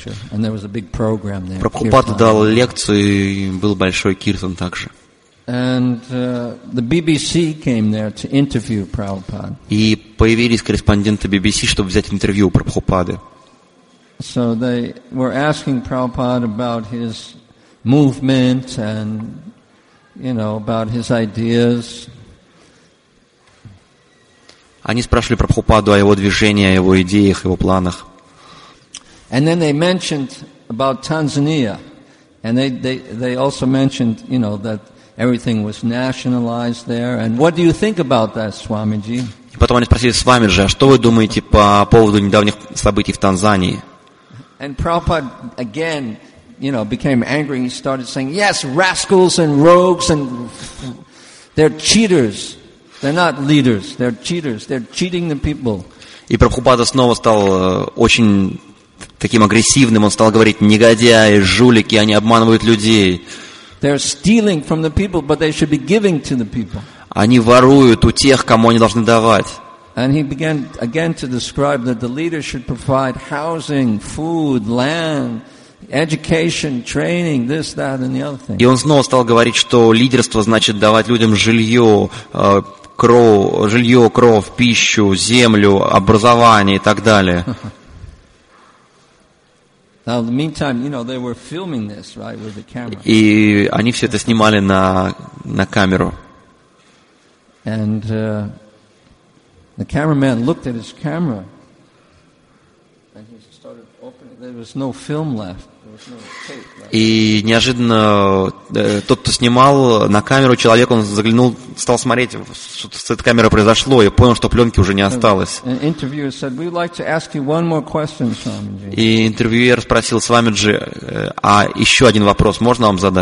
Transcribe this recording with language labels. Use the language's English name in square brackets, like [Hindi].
[Russian] Прабхупада дал лекцию, и был большой киртан также. И появились корреспонденты BBC, чтобы взять интервью у Прабхупады. [English] So they were asking Prabhupada about his movement and about his ideas. [Russian] Они спрашивали Прабхупаду о его движении, о его идеях, его планах. [English] And then they mentioned about Tanzania, and they also mentioned, that everything was nationalized there. And what do you think about that, Swamiji? [Russian] И потом они спросили Свамиджи, а что вы думаете по поводу недавних событий в Танзании? [English] And Prabhupada again. Became angry. He started saying, "Yes, rascals and rogues, and they're cheaters. They're not leaders. They're cheaters. They're cheating the people." [Russian] И Прабхупада снова стал очень таким агрессивным. Он стал говорить: "Негодяи, жулики, они обманывают людей." [English] They're stealing from the people, but they should be giving to the people. [Russian] Они воруют у тех, кому они должны давать. [English] And he began again to describe that the leader should provide housing, food, land. Education, training, this, that, and the other thing. [Russian] И он снова стал говорить, что лидерство значит давать людям жилье, кров, пищу, землю, образование и так далее. [English] Now, in the meantime, they were filming this, right, with the camera. [Russian] И они все это снимали на камеру. [English] And the cameraman looked at his camera, and he started opening. There was no film left. [Russian] И неожиданно тот, кто снимал на камеру, человек, он заглянул, стал смотреть, что с этой камерой произошло, и понял, что пленки уже не осталось. И интервьюер спросил: "Свамиджи, а еще один вопрос можно вам